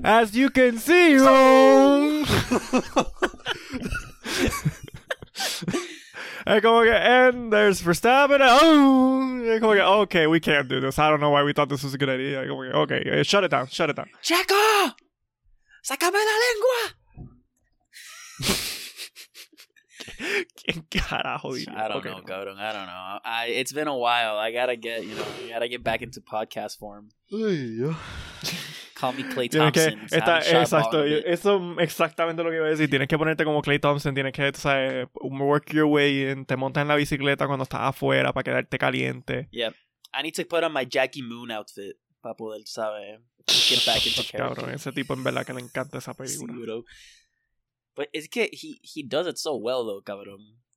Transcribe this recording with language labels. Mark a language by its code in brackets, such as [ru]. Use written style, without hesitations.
[en] As you can see, [es] es como que, [en] and there's Verstappen, oh, [es] como que, [en] okay, we can't do this, I don't know why we thought this was a good idea, como que, okay, shut it down, shut it down. [es] ¡Checo! ¡Sácame la lengua! ¿Quién carajo dijo? [en] I don't know, cabrón, I don't know. It's been a while, I gotta get back into podcast form. Uy, yo. Call me Clay Thompson. [es] Que, está, exacto, eso exactamente lo que iba a decir. Tienes que ponerte como Clay Thompson. Tienes que, sabes, [en] work your way in. [es] Te montas en la bicicleta cuando estás afuera para quedarte caliente. [en] Yeah. I need to put on my Jackie Moon outfit [es] para poder, sabes, [en] get back into character. [es] Cabrón, ese tipo en verdad que le encanta esa película. Seguro. [en] But it's que he does it so well, though, cabrón.